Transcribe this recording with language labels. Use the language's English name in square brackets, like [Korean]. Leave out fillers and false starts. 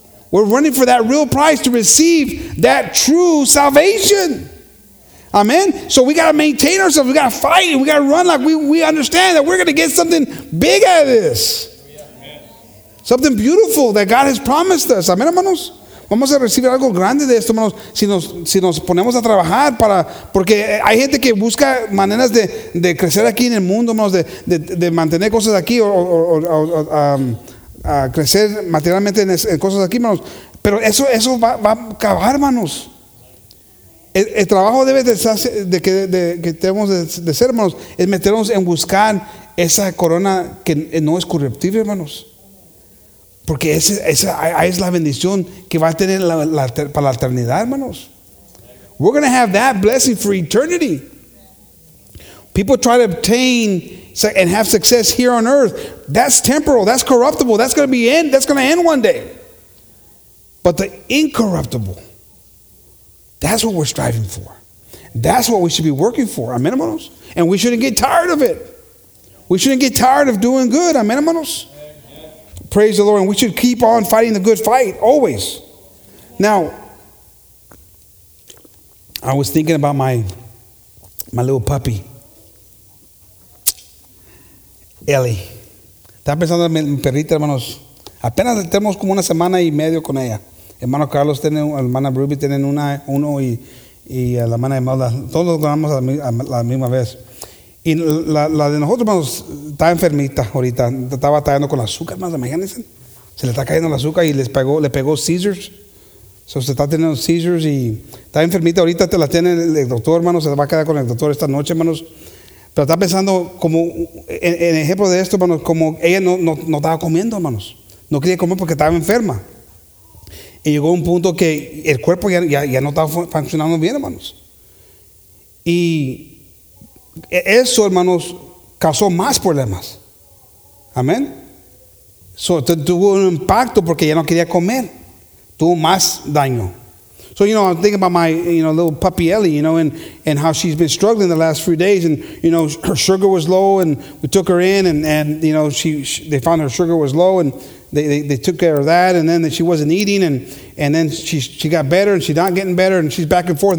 [English] We're running for that real prize to receive that true salvation. Amen? So we got to maintain ourselves. We got to fight. We got to run like we understand that we're going to get something big out of this. Amen. Something beautiful that God has promised us. Amen, hermanos? [Spanish] Vamos a recibir algo grande de esto, hermanos, si nos ponemos a trabajar para, porque hay gente que busca maneras de crecer aquí en el mundo, hermanos, de mantener cosas aquí o a crecer materialmente en cosas aquí, hermanos, pero eso va a acabar, hermanos. El trabajo debe de ser, hermanos, es meternos en buscar esa corona que no es corruptible, hermanos. Porque esa es la bendición que va a tener para la eternidad, hermanos. [English] We're going to have that blessing for eternity. People try to obtain and have success here on earth. That's temporal. That's corruptible. That's going to be end. That's going to end one day. But the incorruptible, that's what we're striving for. That's what we should be working for. Amen, hermanos? And we shouldn't get tired of it. We shouldn't get tired of doing good. Amen, hermanos? Praise the Lord, and we should keep on fighting the good fight, always. Now, I was thinking about my little puppy, Ellie. [Spanish] Estaba pensando en mi perrita, hermanos. Apenas tenemos como una semana y medio con ella. Hermano Carlos tiene, hermana Ruby tiene uno y la hermana Imelda. Todos los ganamos a la misma vez. Y la de nosotros, hermanos, está enfermita ahorita. Está batallando con el azúcar, hermanos, imagínense. Se le está cayendo el azúcar y le pegó seizures. So, se está teniendo seizures y está enfermita. Ahorita te la tiene el doctor, hermanos. Se va a quedar con el doctor esta noche, hermanos. Pero está pensando como, en ejemplo de esto, hermanos, como ella no estaba comiendo, hermanos. no quería comer porque estaba enferma. Y llegó un punto que el cuerpo ya no estaba funcionando bien, hermanos. Y eso, hermanos, causó más problemas. Amén. So, tuvo un impacto porque ya no quería comer. Tuvo más daño. [English] So, you know, I'm thinking about my, you know, little puppy Ellie, you know, and how she's been struggling the last few days. And, you know, her sugar was low and we took her in and you know, they found her sugar was low and they took care of that. And then she wasn't eating and then she got better and she's not getting better and she's back and forth.